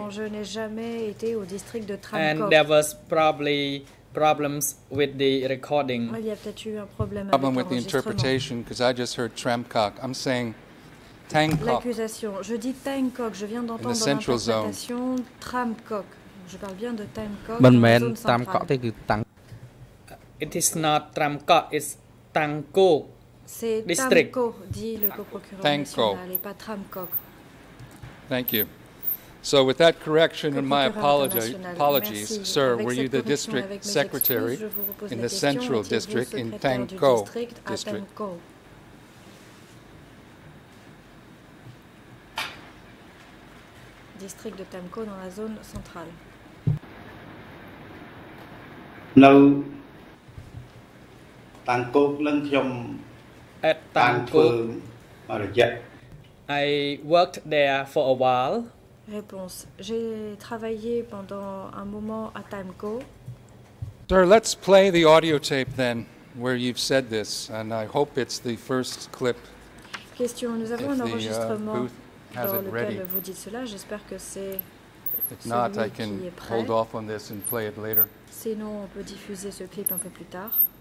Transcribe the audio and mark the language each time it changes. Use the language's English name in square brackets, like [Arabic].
[French] Non, je n'ai jamais été au district de Tram Kok. [English] And there was probably problems with the recording. [French] Il y a peut-être eu un problème [English] problem with the interpretation because I just heard Tram Kok. I'm saying Thang Kok. [French] L'accusation. Je dis Thang Kok. Je viens d'entendre l'interprétation Tram Kok. Je parle bien de Thang Kok. Mình men Tram Kok thì cứ tăng. [English] It is not Tram Kok, it's Thang Kok district. [French] C'est Thang Kok, dit le co-procureur national, et pas Tram Kok. [English] Thank you. So with that correction and my apologies, [French] merci. [English] Sir, [French] avec [English] were you the district secretary in the central district in Thang Kok district? [French] District de Thang Kok dans la zone centrale. [English] No. At Tang Kok, I worked there for a while. [French] Réponse. J'ai travaillé pendant un moment à Tang Kok. [English] Sir, let's play the audio tape then, where you've said this, and I hope it's the first clip. [French] Question. Nous avons un enregistrement dans lequel vous dites cela. J'espère que c'est [English] If not, I can hold off on this and play it later. [French] Sinon, on peut diffuser ce clip un peu plus tard.